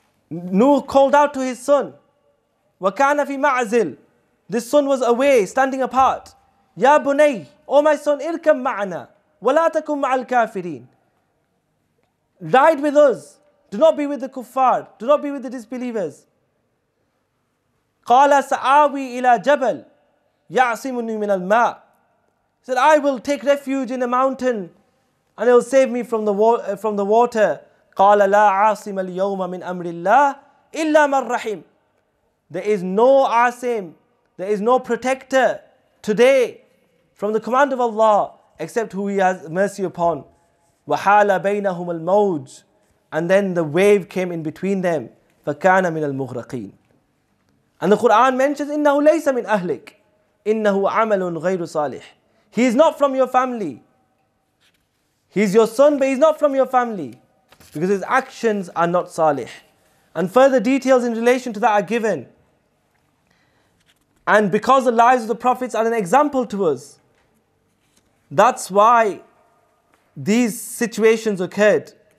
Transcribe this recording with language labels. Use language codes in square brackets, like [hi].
[en] Nuh called out to his son, [ar] wa kana fi ma'zil. [en] This son was away, standing apart. [ar] Ya bunay, [en] O my son, [ar] irkam ma'ana, wa la takum ma'al kafirin. [en] Ride with us, do not be with the kuffar, do not be with the disbelievers. [ar] قال سآوي إلى جبل يعصمني من الماء. [en] He said, I will take refuge in a mountain and it will save me from the water. [ar] قال لا عاصم اليوم من أمر الله إلا من رحم. [en] There is no عاصم, there is no protector today from the command of Allah except who He has mercy upon. [ar] وحال بينهم الموج. [en] And then the wave came in between them. [ar] فكان من المغرقين. [en] And the Quran mentions, [ar] إِنَّهُ لَيْسَ مِنْ أَهْلِكَ إِنَّهُ عَمَلٌ غَيْرُ صَالِحٍ. [en] He is not from your family. He is your son, but he is not from your family. Because his actions are not salih. And further details in relation to that are given. And because the lives of the prophets are an example to us, that's why these situations occurred.